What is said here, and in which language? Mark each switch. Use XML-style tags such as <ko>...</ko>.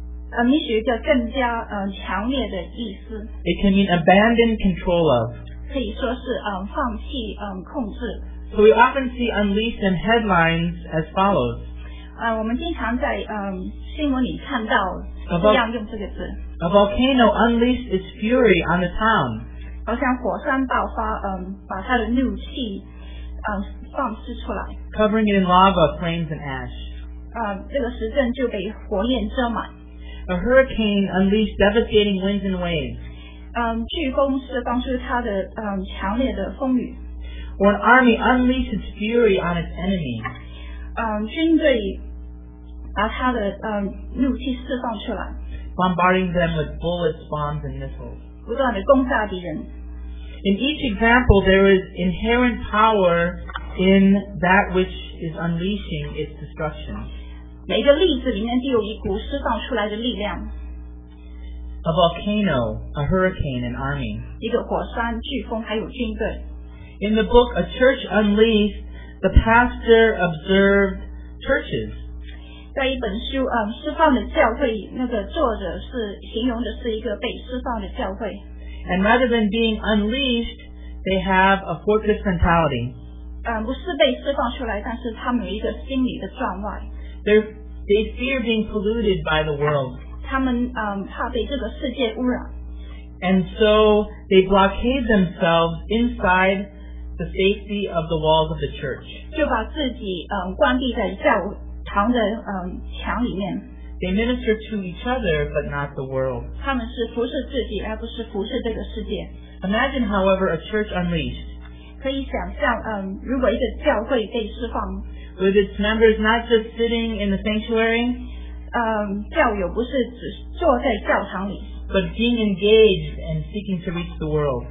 <zh>Unleashed 一个更加强烈的意思。</zh> <en>It can mean abandoned control of.</en> <zh>可以说是放弃控制。</zh> <en>So we often see unleashed in headlines as follows.</en> <zh>我们经常在新闻里看到这样用这个字。</zh> <en>A volcano unleashed its fury on the town.</en> <zh>好像火山爆发把它的怒气放肆出来。</zh> <en>Covering it in lava, flames, and ash.</en> <zh>这个石阵就被火焰遮满。</zh> <en>A hurricane unleashed devastating winds and waves.</en> <zh>飓风释放出它的强烈的风雨。</zh> <en>Or an army unleashed its fury on its enemy.</en> <zh>军队把它的怒气释放出来。</zh> <en>Bombarding them with bullets, bombs, and missiles.</en> <zh>不断地攻杀敌人。</zh> <en>In each example, there is inherent power in that which is unleashing its destruction.</en> <zh>每个例子里面都有一股释放出来的力量。</zh> <en>A volcano, a hurricane, an army.</en> <zh>一个火山、飓风还有军队。</zh> <en>In the book, A Church Unleashed, the pastor observed churches.</en> <zh>在一本书释放的教会，那个作者是形容的是一个被释放的教会。</zh> <en>And rather than being unleashed, they have a fortress mentality.</en> <zh>不是被释放出来，但是他们有一个心理的障碍。</zh> <en>They fear being polluted by the world.</en> <zh>他们怕被这个世界污染。</zh> <en>And so they blockade themselves inside the safety of the walls of the church.</en> <zh>就把自己关闭在教堂的墙里面。</zh> <en>They minister to each other, but not the world.</en> <zh>他们是服侍自己，而不是服侍这个世界。</zh> <en>Imagine, however, a church unleashed.</en> <zh>可以想象，如果一个教会被释放。</zh> <en>With its members not just sitting in the sanctuary.</en> <zh>教友不是只坐在教堂里。</zh> <en>But being engaged and seeking to reach the world.</en>